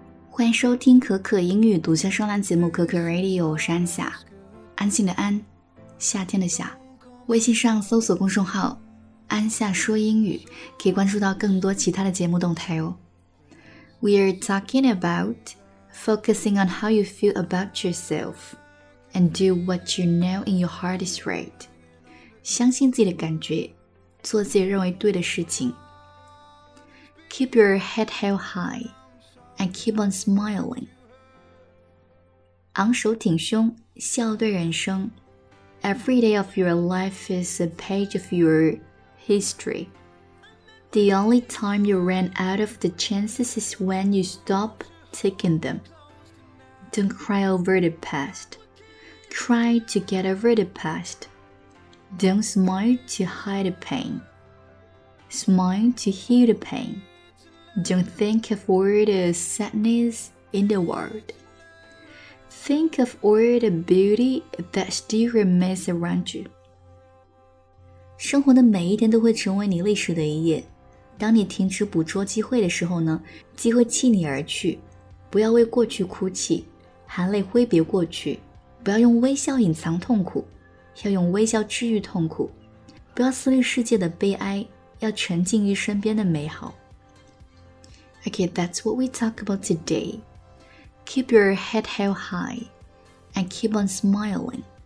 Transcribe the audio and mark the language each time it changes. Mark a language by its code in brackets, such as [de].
[zh] 欢迎收听可可英语独家双栏节目可可 Radio， 我是安夏，安静的安，夏天的夏。微信上搜索公众号安夏说英语，可以关注到更多其他的节目动态哦。 [en] We are talking about focusing on how you feel about yourself and do what you know in your heart is right，相信自己的感觉，做自己认为对的事情。 Keep your head held highAnd keep on smiling. [zh] 昂首挺胸，笑对人生。 [en] Every day of your life is a page of your history. The only time you run out of the chances is when you stop taking them. Don't cry over the past. Cry to get over the past. Don't smile to hide the pain. Smile to heal the pain. Don't think of all the sadness in the world. Think of all the beauty that still remains around you. [zh] 生活的每一天都会成为你历史的一页。当你停止捕捉机会的时候呢，机会弃你而去。不要为过去哭泣，含泪挥别过去。不要用微笑隐藏痛苦，要用微笑治愈痛苦。不要思虑世界的悲哀，要沉浸于身边的美好。 [en] Okay, that's what we talk about today. Keep your head held high and keep on smiling.